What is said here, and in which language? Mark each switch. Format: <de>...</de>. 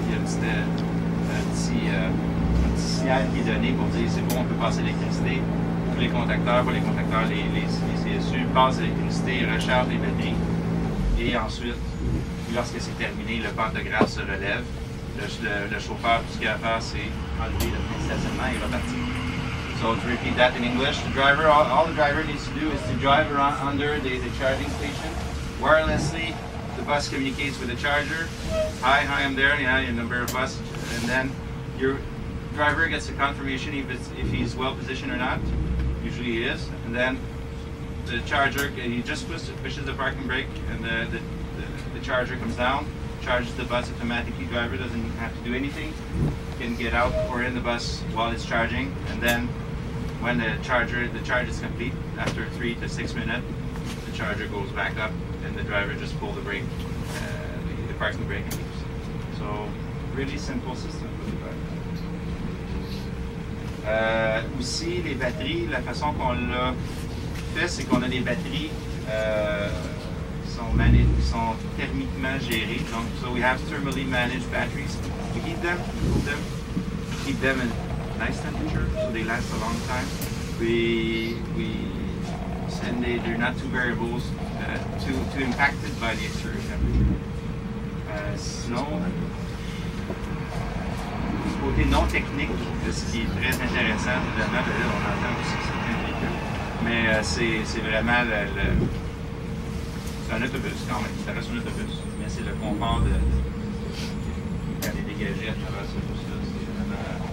<fr>Un petit signal qui est donné pour dire c'est bon, on peut passer l'électricité. Tous les contacteurs, pour les contacteurs, les CSU passent l'électricité, ils rechargent les batteries. Et ensuite, lorsque c'est terminé, le pantographe se relève. Le chauffeur, tout ce qu'il a à faire, c'est enlever le stationnement et repartir.</fr> <en>So to repeat that in English, the driver, all the driver needs to do is to drive around under the charging station wirelessly. The bus communicates with the charger. Hi, I'm there. Yeah, you're a number of bus. And then your driver gets a confirmation if he's well positioned or not. Usually he is. And then the charger, he just pushes the parking brake and the charger comes down, charges the bus automatically. Driver doesn't have to do anything. Can get out or in the bus while it's charging. And then when the charge is complete, after 3 to 6 minutes, the charger goes back up. And the driver just pulls the brake, the parking brake, and leaves. So, really simple system for the driver.</en> <fr>Aussi, les batteries, la façon qu'on l'a fait, c'est qu'on a des batteries qui sont thermiquement gérées.</fr> <en>Donc, so we have thermally managed batteries. We heat them, keep them in nice temperature, so they last a long time. We send them, they're not too variables, too impacted by the exterior temperature.</en> <fr>Sinon, côté non technique, ce qui est très intéressant, évidemment, là, on entend aussi certains véhicules, mais c'est vraiment le. C'est un autobus quand même, ça reste un autobus, mais c'est le confort de. Quand il est dégagé à travers ce bus-là, c'est vraiment.</fr>